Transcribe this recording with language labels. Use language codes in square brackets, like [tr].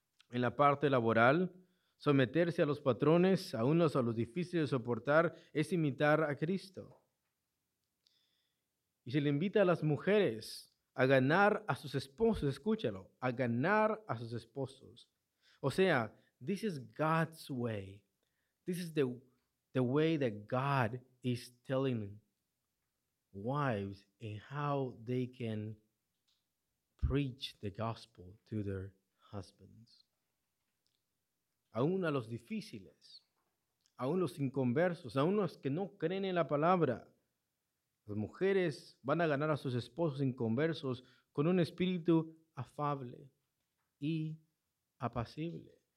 [es] En la parte laboral, someterse a los patrones, aún a los difíciles de soportar, es imitar a Cristo. Y se le invita a las mujeres a ganar a sus esposos, escúchalo, a ganar a sus esposos. O sea, [en] this is God's way. This is the way that God is telling wives and how they can preach the gospel to their husbands. [es] Aún a los difíciles, aún los inconversos, aún los que no creen en la palabra. Las mujeres van a ganar a sus esposos inconversos con un espíritu afable y apacible.